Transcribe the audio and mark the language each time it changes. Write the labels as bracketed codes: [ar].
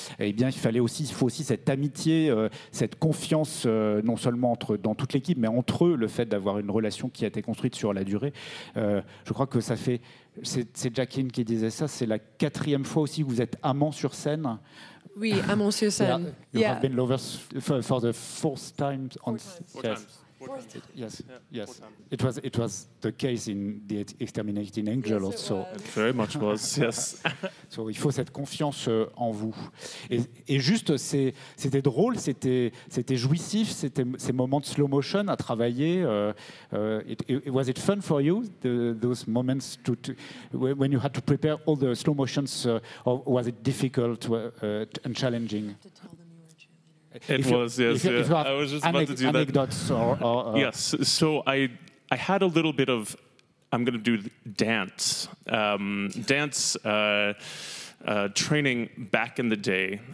[fr] Eh bien, il faut aussi cette amitié, cette confiance, non seulement dans toute l'équipe, mais entre eux, le fait d'avoir une relation qui a été construite sur la durée. Je crois que ça fait, c'est Jacqueline qui disait ça, c'est la quatrième fois aussi que vous êtes amant sur scène. Oui, amant sur scène. [en] You have been lovers for the fourth time. Four times. It was the case in the Exterminating Angel, yes, also. It very much was, yes. [fr] So, il faut cette confiance en vous. Et juste, c'était drôle, c'était jouissif, c'était ces moments de slow motion à travailler. [en] Was it fun for you, those moments when you had to prepare all the slow motions, or was it difficult and challenging? So I had a little bit of, I'm going to do dance, training back in the day.